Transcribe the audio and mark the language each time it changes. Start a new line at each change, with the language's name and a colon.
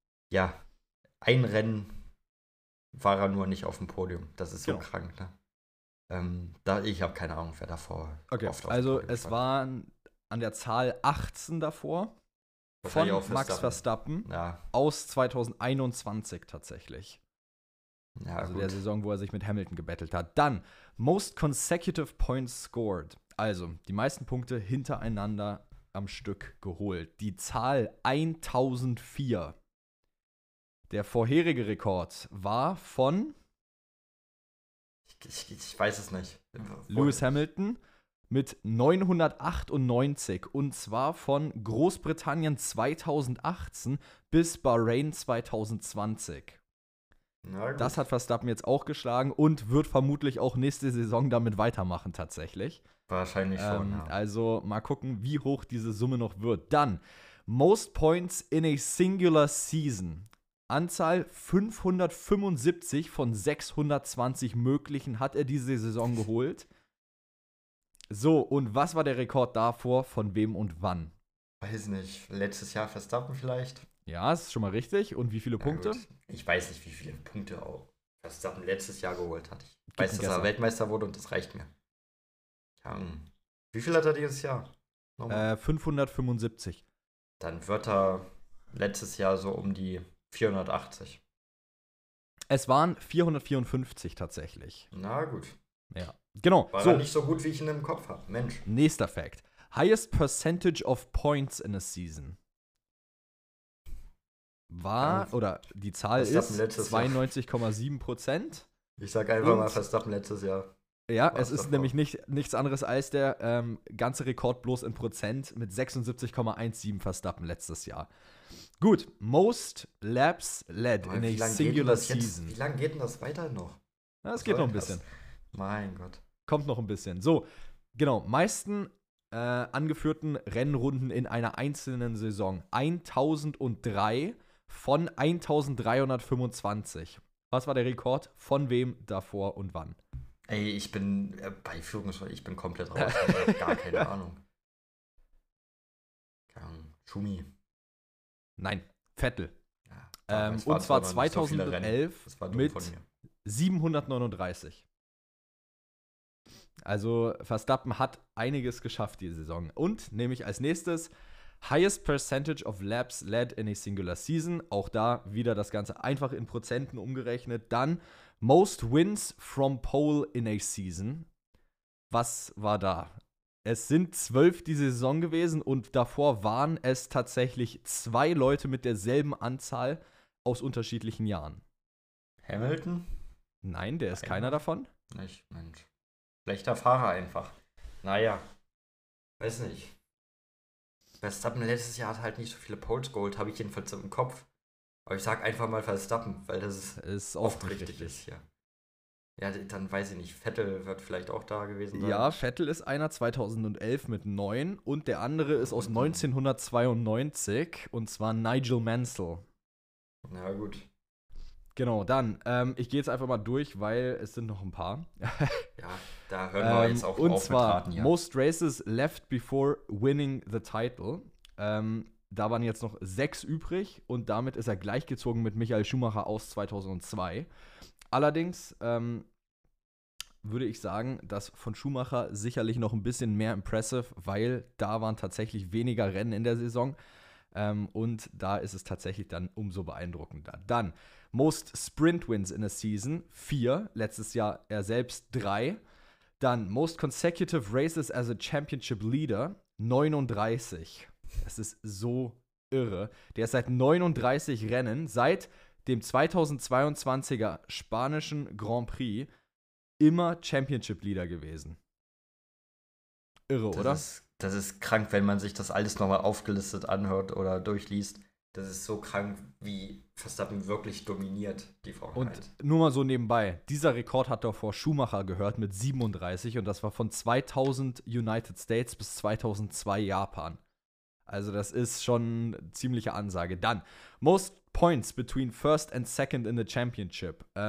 German: Ja, ein Rennen war er nur nicht auf dem Podium. Das ist so krank, ne? Ich habe keine Ahnung, wer davor. Okay, es waren an der Zahl 18 davor von Max Verstappen aus 2021 tatsächlich. Ja, also gut. Der Saison, wo er sich mit Hamilton gebettelt hat.
English: Dann, most consecutive points scored.
German: Also, die meisten Punkte hintereinander am Stück geholt. Die Zahl 1004. Der vorherige Rekord war von... Ich Ich weiß es nicht. Lewis Hamilton mit 998 und zwar von Großbritannien 2018 bis Bahrain 2020. Das hat Verstappen jetzt auch geschlagen und wird vermutlich auch nächste Saison damit weitermachen tatsächlich. Wahrscheinlich schon, ja. Also mal gucken, wie hoch diese Summe noch wird.
English: Dann, most points in a singular season.
German: Anzahl 575 von 620 möglichen hat er diese Saison geholt. So, und was war der Rekord davor, von wem und wann? Weiß nicht, letztes Jahr Verstappen vielleicht. Ja, das ist schon mal richtig. Und wie viele Punkte? Gut. Ich weiß nicht, wie viele Punkte auch Verstappen letztes Jahr geholt hat. Ich weiß, dass er Weltmeister wurde und das reicht mir. Ja, wie viel hat er dieses Jahr? 575. Dann wird er letztes Jahr so um die 480. Es waren 454 tatsächlich. Na gut. Ja, genau. War so. Nicht so gut, wie ich ihn im Kopf habe. Mensch. Nächster Fact.
English: Highest percentage of points in a season.
German: War, oder die Zahl Verstappen ist 92,7%. Ich sag einfach mal Verstappen letztes Jahr. Ja, es ist nämlich nichts anderes als der ganze Rekord bloß in Prozent mit 76,17 Verstappen letztes Jahr.
English: Gut, most laps led in a singular season.
German: Wie lange geht denn das weiter noch? Ja, es geht noch ein bisschen. Mein Gott. Kommt noch ein bisschen. So, genau, meisten angeführten Rennrunden in einer einzelnen Saison. 1003 von 1325. Was war der Rekord? Von wem davor und wann? Ey, ich bin bei Führungsrunden, ich bin komplett raus. Gar keine Ahnung. Schumi. Nein, Vettel. Ja, und zwar 2011 so mit 739. Also Verstappen hat einiges geschafft diese Saison. Und nehme ich als nächstes
English: Highest percentage of laps led in a singular season.
German: Auch da wieder das Ganze einfach in Prozenten umgerechnet.
English: Dann most wins from pole in a season.
German: Was war da? Es sind 12 die Saison gewesen und davor waren es tatsächlich 2 Leute mit derselben Anzahl aus unterschiedlichen Jahren. Hamilton? Nein, der ist keiner davon. Nicht, Mensch. Schlechter Fahrer einfach. Naja, weiß nicht. Verstappen letztes Jahr hat halt nicht so viele Poles geholt, habe ich jedenfalls im Kopf. Aber ich sag einfach mal Verstappen, weil das ist oft richtig ist hier. Ja, dann weiß ich nicht, Vettel wird vielleicht auch da gewesen sein. Ja, Vettel ist einer 2011 mit 9 und der andere ist aus 1992 und zwar Nigel Mansell. Na gut. Genau, dann, ich gehe jetzt einfach mal durch, weil es sind noch ein paar. Ja, da hören wir jetzt auch und auf zwar, mit Raten, ja.
English: Most races left before winning the title.
German: Da waren jetzt noch 6 übrig und damit ist er gleichgezogen mit Michael Schumacher aus 2002. Allerdings würde ich sagen, dass von Schumacher sicherlich noch ein bisschen mehr impressive, weil da waren tatsächlich weniger Rennen in der Saison. Und da ist es tatsächlich dann umso beeindruckender.
English: Dann, most sprint wins in a season, 4, letztes Jahr er selbst 3. Dann, most consecutive races as a championship leader, 39.
German: Das ist so irre. Der ist seit 39 Rennen, seit dem 2022er spanischen Grand Prix, immer Championship Leader gewesen. Irre, das oder? Das ist krank, wenn man sich das alles nochmal aufgelistet anhört oder durchliest. Das ist so krank, wie Verstappen wirklich dominiert die Formel 1. Und nur mal so nebenbei, dieser Rekord hat davor Schumacher gehört mit 37 und das war von 2000 United States bis 2002 Japan. Also das ist schon eine ziemliche Ansage.
English: Dann, most points between first and second in the championship.